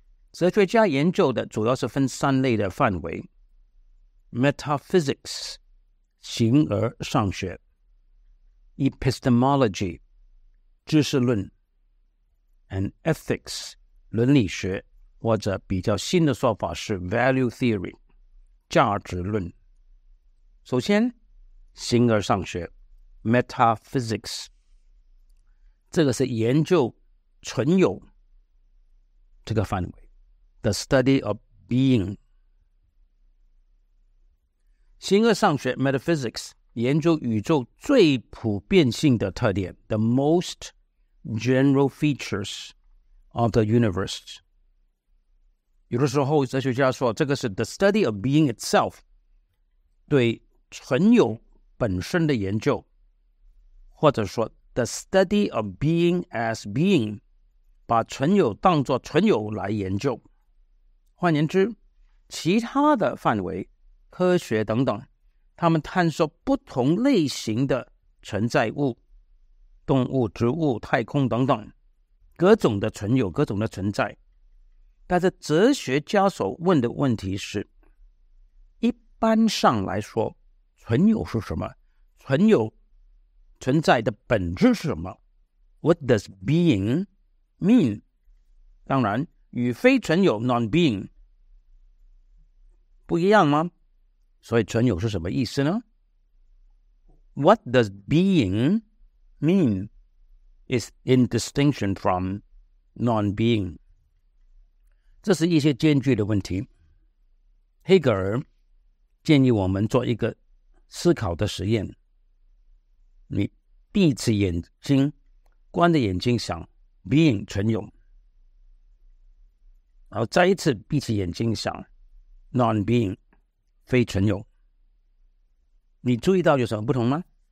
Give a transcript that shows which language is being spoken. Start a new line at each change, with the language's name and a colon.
Chinese: 哲学家研究的主要是分三类的范围： Metaphysics 形而上学， Epistemology 知识论， and Ethics 伦理学，或者比较新的说法是 Value Theory 价值论。首先形而上学 Metaphysics， 这个是研究存有这个范围
English: The study of being。
Chinese: 形而上学 Metaphysics 研究宇宙最普遍性的特点
English: The most general features of the universe。
Chinese: 有的时候哲学家说这个是
English: The study of being itself，
Chinese: 对存有本身的研究，或者说
English: The study of being as being，
Chinese: 把存有当作存有来研究。换言之，其他的范围科学等等，他们探索不同类型的存在物，动物、植物、太空等等，各种的存有，各种的存在。但是哲学家所问的问题是，一般上来说存有是什么？存有存在的本质是什么？
English: What does being mean?
Chinese: 当然与非存有 non-being 不一样吗？所以存有是什么意思呢？
English: What does being mean is in distinction from non-being?
Chinese: 这是一些艰巨的问题。黑格尔建议我们做一个思考的实验，你闭起眼睛，关着眼睛想 being 存有，然后再一次闭起眼睛想 non-being 非存有，你注意到有什么不同吗？